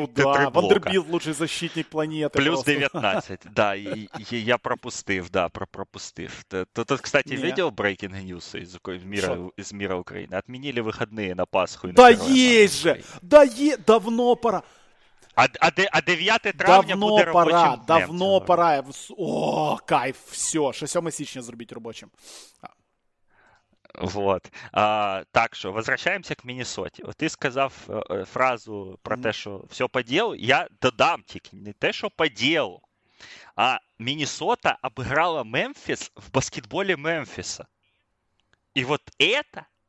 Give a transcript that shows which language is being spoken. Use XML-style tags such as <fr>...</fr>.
<ru>ну, да, Вандербилт лучший защитник планеты. Плюс просто. 19, да, и</ru> <uk>я пропустив, да, пропустив.</uk> <ru>Тут, кстати, не. Видел breaking news из мира Украины? Отменили выходные на Пасху. Да есть же, да есть, давно пора.</ru> <uk>А 9 травня давно буде пора,</uk> <ru>рабочим. Давно пора, давно пора. О, кайф, все,</ru> <uk>6 січня зробить рабочим.</uk> <ru>Вот. Так что, возвращаемся к Миннесоте. Вот ты сказав фразу про то, что все по делу,</ru> <uk>я додам тебе,</uk> <ru>не то, что по делу, а Миннесота обыграла Мемфис в баскетболе Мемфиса. И вот это</ru>